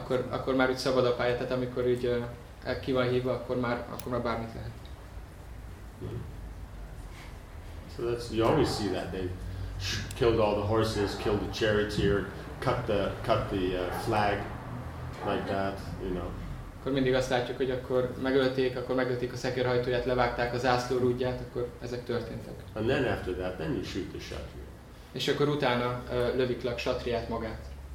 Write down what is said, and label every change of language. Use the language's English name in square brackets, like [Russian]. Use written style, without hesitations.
[Hungarian] Akkor már úgy szabad a pálya, tehát amikor úgy ki van hívva, akkor már bármit lehet. Mm-hmm. [English] So that's, you always see that they killed all the horses, killed the charioteer, cut the flag like that, you know. [Hungarian] Akkor mindig azt látjuk, hogy akkor megölték a szekérhajtóját, levágták a zászlórúdját, akkor ezek történtek. [English] And then after that, then you shoot the kshatriya. [Hungarian] És akkor utána lövik le a kshatriát magát.